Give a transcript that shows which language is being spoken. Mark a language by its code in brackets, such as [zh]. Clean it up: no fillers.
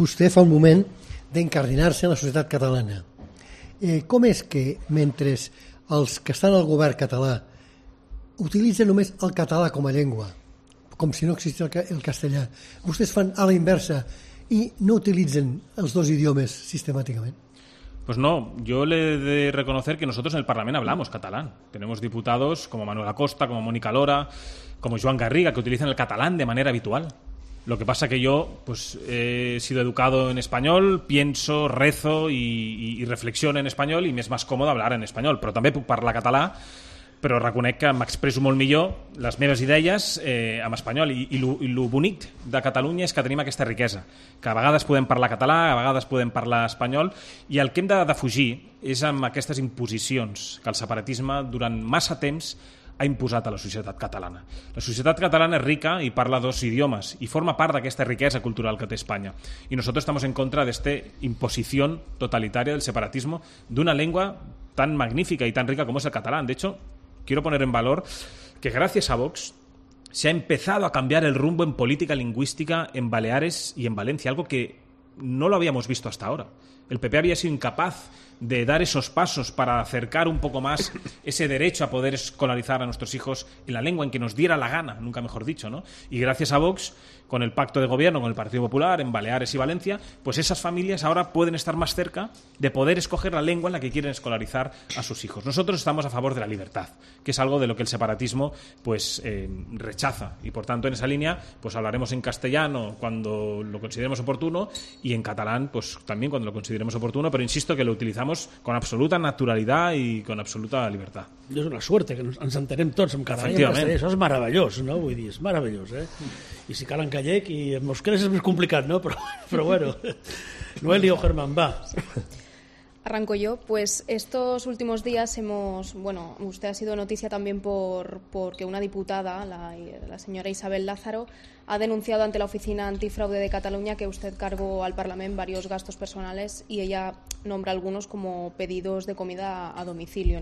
[ca] Vostè fa un moment d'encardinar-se en la societat catalana. Com és que mentre els que estan al govern català utilitzen només el català com a llengua, com si no existís el castellà, vostès fan a la inversa i no utilitzen els dos idiomes sistemàticament? [es] Pues no, yo le he de reconocer que nosotros en el Parlament hablamos catalán. Tenemos diputados como Manuel Acosta, como Mónica Lora, como Joan Garriga, que utilizan el catalán de manera habitual. Lo que pasa que yo pues he sido educado en español, pienso, rezo y reflexiono en español y me es más cómodo hablar en español, pero también puc parlar català, però reconec que m'expresso molt millor les meves idees en espanyol. [ca] I lo bonic de Catalunya és que tenim aquesta riquesa, que a vegades podem parlar català, a vegades podem parlar espanyol, i el que hem de fugir és amb aquestes imposicions que el separatisme durant massa temps ha imposat a la societat catalana. La societat catalana és rica i parla dos idiomes i forma part d'aquesta riquesa cultural que té Espanya. I nosaltres estem en contra d'aquesta imposició totalitària del separatisme d'una llengua tan magnífica i tan rica com és el català. [es] De hecho, quiero poner en valor que gracias a Vox se ha empezado a cambiar el rumbo en política lingüística en Baleares y en Valencia, algo que no lo habíamos visto hasta ahora. El PP había sido incapaz de dar esos pasos para acercar un poco más ese derecho a poder escolarizar a nuestros hijos en la lengua en que nos diera la gana, nunca mejor dicho, ¿no? Y gracias a Vox, con el pacto de gobierno con el Partido Popular en Baleares y Valencia, pues esas familias ahora pueden estar más cerca de poder escoger la lengua en la que quieren escolarizar a sus hijos. Nosotros estamos a favor de la libertad, que es algo de lo que el separatismo pues rechaza, y por tanto en esa línea pues hablaremos en castellano cuando lo consideremos oportuno y en catalán pues también cuando lo consideremos oportuno, pero insisto que lo utilizamos con absoluta naturalidad y con absoluta libertad. Es una suerte que nos entenem tots en català, eso es maravilloso, ¿no? [ca] Vull dir, es maravilloso, ¿eh? Y si calan gallec i en mosqueres és més complicat, no? Però bueno, Noelia o Germán, va. [es] Arranco yo. Pues estos últimos días hemos, bueno, usted ha sido noticia también porque una diputada, la señora Isabel Lázaro, ha denunciado ante la Oficina Antifraude de Cataluña que usted cargó al Parlament varios gastos personales y ella nombra algunos como pedidos de comida a domicilio.